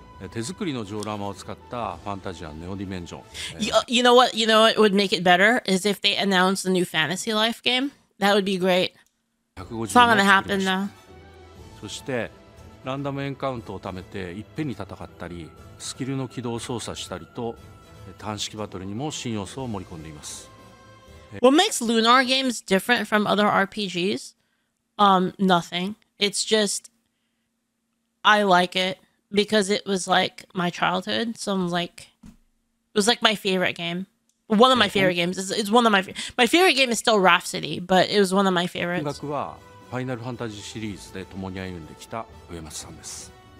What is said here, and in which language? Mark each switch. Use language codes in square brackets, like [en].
[ja] 手作りのジョーラマを使ったファンタジアンネオディメンジョン。 [en] You know what? You know what would make it better is if they announce the new Fantasy Life game. That would be great. It's not gonna happen though. [ja] そしてランダムエンカウントを貯めて一遍に戦ったり、スキルの起動操作したりと、短式バトルにも新要素を盛り込んでいます。 [en] What makes Lunar games different from other RPGs? Nothing. It's just I like it. Because it was like my childhood, so I'm like, it was like my favorite game. One of my favorite games. It's one of my favorite game is still Rhapsody, but it was one of my favorites. [ja] 音楽はファイナルファンタジーシリーズで共に歩んできた上松さんです。